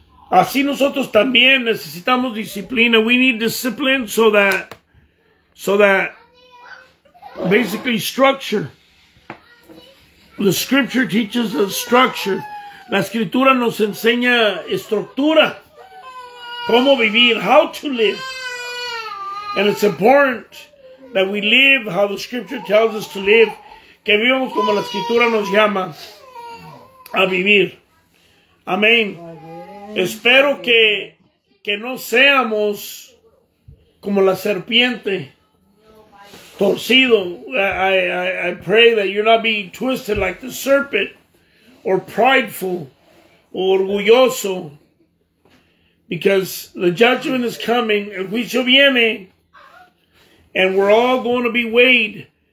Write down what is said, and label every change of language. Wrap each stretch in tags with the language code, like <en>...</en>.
<es>Así nosotros también necesitamos disciplina.</es> <en>We need discipline so that basically structure. The scripture teaches us structure.</en> <es>La escritura nos enseña estructura. Cómo vivir,</es> <en>how to live. And it's important that we live how the scripture tells us to live.</en> <es>Que vivamos como la escritura nos llama a vivir. Amén. Espero que no seamos como la serpiente, torcido.</es> <en>I pray that you're not being twisted like the serpent, or prideful, or orgulloso, because the judgment is coming,</en> <es>el juicio viene,</es> <en>and we're all going to be weighed.</en>